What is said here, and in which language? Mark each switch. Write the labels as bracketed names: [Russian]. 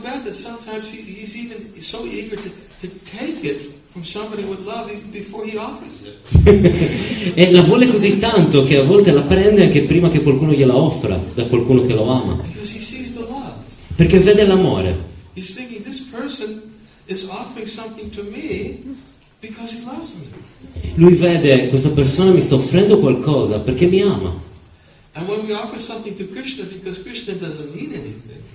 [English] Sometimes he's even so eager to take it from somebody with love before he offers it. [Italian] E la vuole così tanto che a volte la prende anche prima che qualcuno gliela offra da qualcuno che lo ama. [English] Because he sees the love. [Italian] Perché vede l'amore. [English] He's thinking this person is offering something to me because he loves me. [Italian] Lui vede questa persona mi sta offrendo qualcosa perché mi ama. [English] And when we offer something to Krishna because Krishna doesn't need anything.